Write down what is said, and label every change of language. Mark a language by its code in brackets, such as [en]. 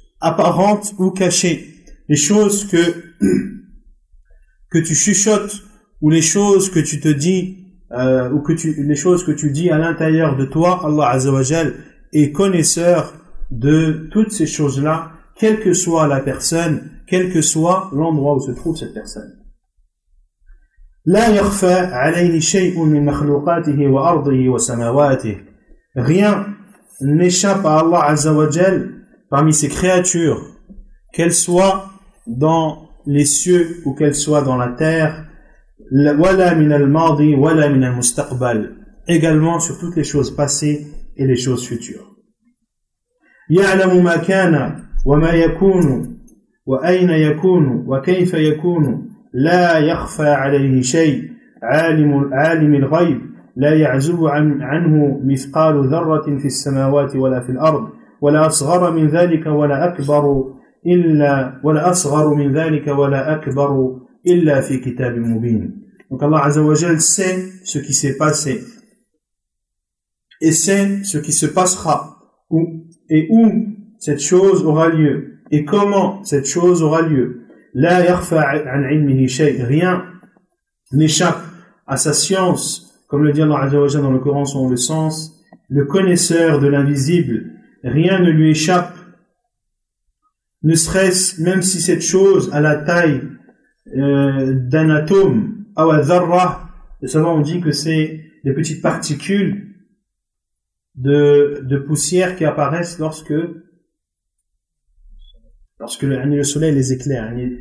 [fr] apparentes ou cachées, les choses que tu chuchotes, ou les choses que tu te dis, les choses que tu dis à l'intérieur de toi, Allah Azza wa Jal est connaisseur de toutes ces choses-là, quelle que soit la personne, quel que soit l'endroit où se trouve cette personne. [ar] لا يخفى عليه شيء من مخلوقاته وأرضه وسماواته. [fr] Rien n'échappe à Allah Azza wa Jal parmi ses créatures, qu'elles soient dans les cieux ou qu'elles soient dans la terre. [ar] ولا من الماضي ولا من المستقبل. [fr] Également sur toutes les choses passées et les choses futures. [ar] يعلم ما كان وما يكون وأين يكون وكيف يكون. لا يخفى عليه شيء عالم الغيب لا يعزب عنه مثقال ذرة في السماوات ولا في الأرض ولا أصغر من ذلك ولا أكبر إلا ولا أصغر من ذلك ولا أكبر إلا في كتاب مبين. [fr] Donc Allah Azza wa Jal sait ce qui s'est passé et sait ce qui se passera et où cette chose aura lieu et comment cette chose aura lieu. [ar] لا يخفى عن علمه شيء. [fr] Rien n'échappe à sa science, comme le dit Allah Azza wa Jal dans le Coran selon le sens, le connaisseur de l'invisible, rien ne lui échappe, ne serait-ce même si cette chose a la taille d'un atome, ou à dharra, et souvent on dit que c'est des petites particules de poussière qui apparaissent lorsque le soleil les éclaire.